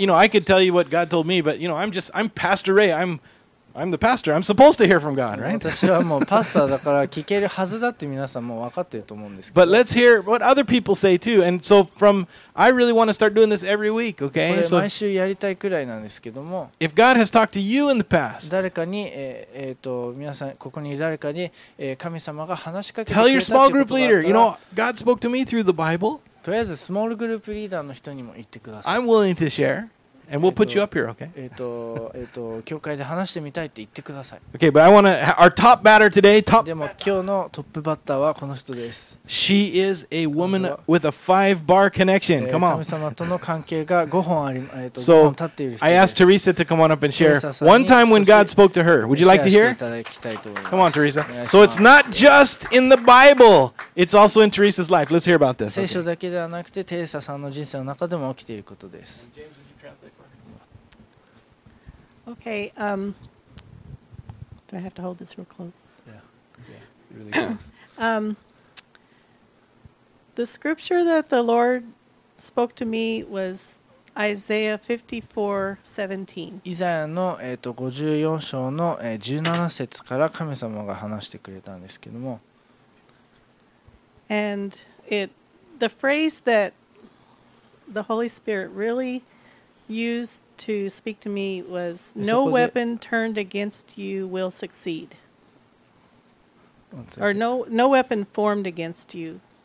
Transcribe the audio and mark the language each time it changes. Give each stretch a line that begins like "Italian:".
English: You know, I could tell you what God told me, but you know, I'm Pastor Ray. I'm the pastor. I'm supposed to hear from God, right?
Japanese: 私はもうパスターだから聞けるはずだって皆さんも分かってると思うんですけど。
English: But let's hear what other people say too. And so from, I really want to start doing this every week, okay?
Japanese: これ毎週やりたいくらいなんですけども。
English: If God has talked to you in the past,
Japanese: 誰かに、皆さんここに誰かに、神様が話しかけて。
English: Tell your small group leader, you know, God spoke to me through the Bible.
Japanese: とりあえずスモールグループリーダーの人にも言ってください。
English: I'm willing to share. And we'll put you up here, okay?
Japanese: 教会で話してみたいって言ってください。
English: Okay, but I want to our top batter today. Top.
Japanese: でも今日のトップバッターはこの人です。
English: She is a woman with a five bar connection. Come on.
Japanese: 神様との関係が五本あり、
English: So I asked Teresa to come on up and share one time when God spoke to her. Would you like to hear? Come on, Teresa. So it's not just in the Bible; it's also in Teresa's life. Let's hear about this.
Japanese: 聖書だけではなくてテレサさんの人生の中でも起きていることです。
English: Okay, do I have to hold this real close? Yeah, really close. The scripture that the Lord spoke to me was Isaiah 54:17.
Japanese: Isaiah の54章の17節から神様が話してくれたんですけども。
English: And the phrase that the Holy Spirit really used to speak to me was no weapon turned against you will succeed or no weapon formed against you